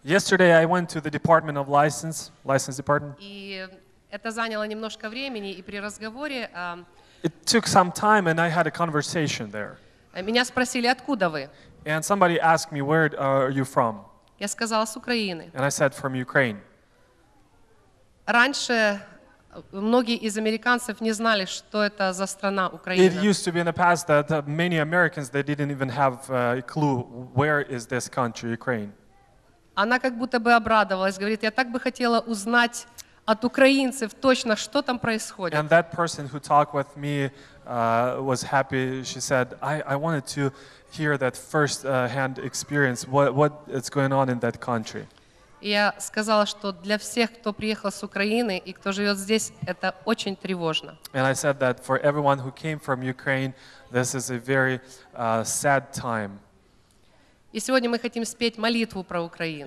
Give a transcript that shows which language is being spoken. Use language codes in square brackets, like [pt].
[en] Yesterday I went to the Department of License, License Department. [ru] И это заняло немножко времени, и при разговоре... [en] It took some time, and I had a conversation there. [ru] Меня спросили, откуда вы? [en] And somebody asked me, where are you from? [ru] Я сказала, с Украины. [en] And I said, from Ukraine. [ru] Раньше... Многие из американцев не знали, что это за страна Украина. [en] It used to be in the past that many Americans they didn't even have a clue where is this country, Ukraine. [ru] Она как будто бы обрадовалась, говорит, я так бы хотела узнать от украинцев точно, что там происходит. [en] And that person who talked with me was happy. She said, I wanted to hear that first-hand experience. What is going on in that country? [ru] Я сказала, что для всех, кто приехал с Украины и кто живет здесь, это очень тревожно. [en] And I said that for everyone who came from Ukraine, this is a very sad time. [ru] И сегодня мы хотим спеть молитву про Украину.